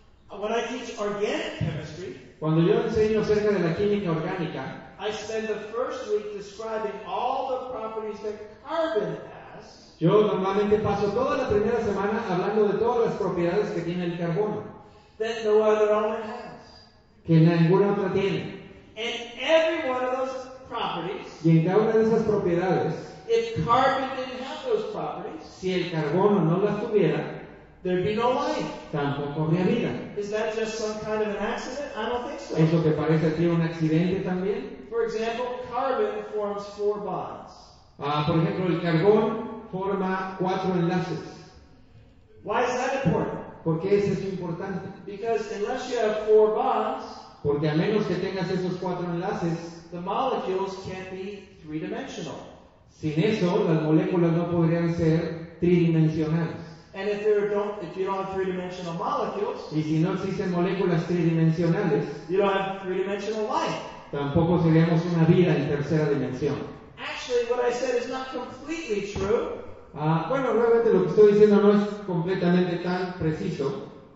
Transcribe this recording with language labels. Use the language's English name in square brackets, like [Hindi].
[English] When I teach organic chemistry, [Spanish] cuando yo enseño acerca de la química orgánica, [English] I spend the first week describing all the properties that carbon has. [Spanish] Yo normalmente paso toda la primera semana hablando de todas las propiedades que tiene el carbono. [English] That no other element has. [Spanish] que ninguna otra tiene. [English] And every one of those properties, [Spanish] y en cada una de esas propiedades, [English] if carbon didn't have those properties, [Spanish] si el carbono no las tuviera, [English] there'd be no life. [Spanish] Tampoco habría vida. [English] Is that just some kind of an accident? I don't think so. [Spanish] ¿Eso te parece a ti un accidente también? [English] For example, carbon forms four bonds. [Spanish] Por ejemplo, el carbón forma cuatro enlaces. [English] Why is that important? [Spanish] ¿Por qué eso es importante? [English] Because unless you have four bonds, [Spanish] porque a menos que tengas esos cuatro enlaces, [English] the molecules can't be three-dimensional. [Spanish] Sin eso, las moléculas no podrían ser tridimensionales. [English] And if you don't have three-dimensional molecules, [Spanish] y si no existen moléculas tridimensionales, [English] you don't have three-dimensional life. [Spanish] Tampoco seríamos una vida en tercera dimensión. [English] Actually, what I said is not completely true. [Spanish] Bueno, realmente lo que estoy diciendo no es completamente tan preciso.